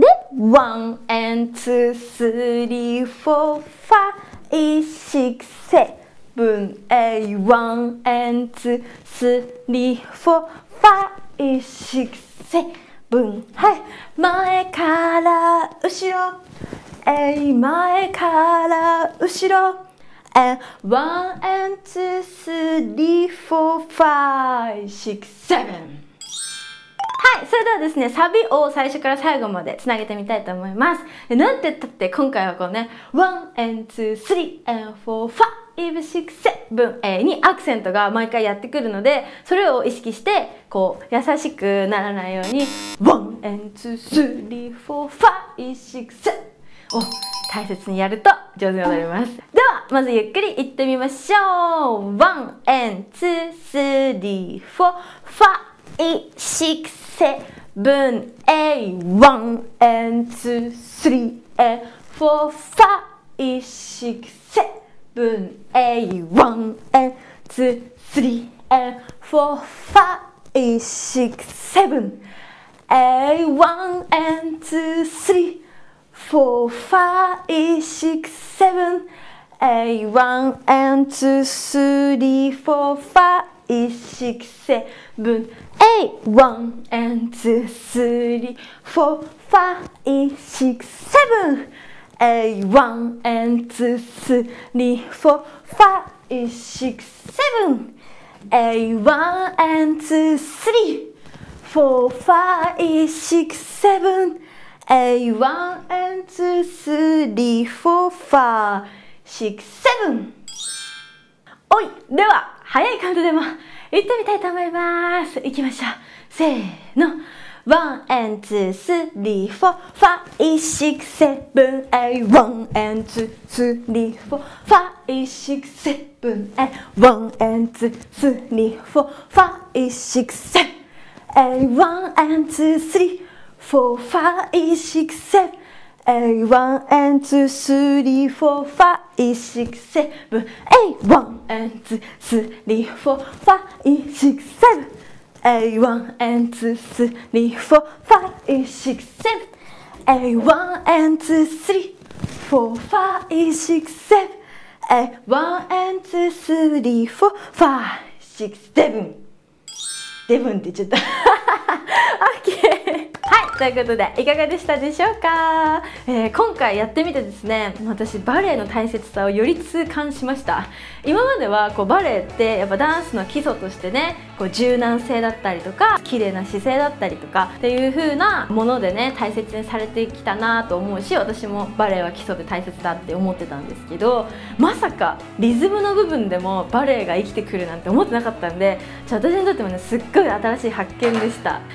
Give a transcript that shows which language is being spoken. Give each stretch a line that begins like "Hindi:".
English: で、ワン、エン、ツー、スリー、フォー、ファイ、シック、セブン。分 A one and two three four five six seven。
Japanese: はい、前から後ろ、 A 前から後ろ、
English: And one and two, three, four, five, six, seven.
Japanese: はい、それではですね、サビを最初から最後までつなげてみたいと思います。なんて言ったって今回はこうね、 one and two, three and four, five, six, seven にアクセントが毎回やってくるので、それを意識してこう優しくならないように、one and two, three, four, five, six, seven を大切にやると上手になります。ではまずゆっくり行ってみましょう。
English: one and two, three, four, five, six, seven, eight, one and two, three and four, five, six, seven, eight, one and two, three and four, five, six, seven, eight, one and two, three. Four, five, six, seven, eight, one, and two, three, four, five, six, seven, eight, one, and two, three, four, five, six, seven, eight, one, and two, three, four, five, six, seven, eight, one, and two, three, four, five, six, seven,A, 1, and 2, 3, 4, 5, 6, 7!
Japanese: おい! では、早いカウントでも、行ってみたいと思います。行きましょう。せーの。
English: 1, and 2, 3, 4, 5, 6, 7, A, 1, and 2, 3, 4, 5, 6, 7, A, 1, and 2, 3, 4, 5, 6, 7, A, 1, and 2, 3, 4, 5, 6, 7, A, 1, Four, five, six, seven, eight, one, and two, three, four, five, six, seven, eight, one, and two, three, four, five, six, seven, eight, one, and two, three, four, five, six, seven, eight, one, and two, three, four, five, six, seven, eight, one, and two, three, four, five, six, seven, seven,
Japanese: って言っちゃった。
English: OK!
Japanese: はい、ということでいかがでしたでしょうか。今回やってみてですね、私バレエの大切さをより痛感しました。今まではこうバレエってやっぱダンスの基礎としてね、こう柔軟性だったりとか綺麗な姿勢だったりとかっていう風なものでね、大切にされてきたなと思うし、私もバレエは基礎で大切だって思ってたんですけど、まさかリズムの部分でもバレエが生きてくるなんて思ってなかったんで、私にとってもねすっごい新しい発見でした。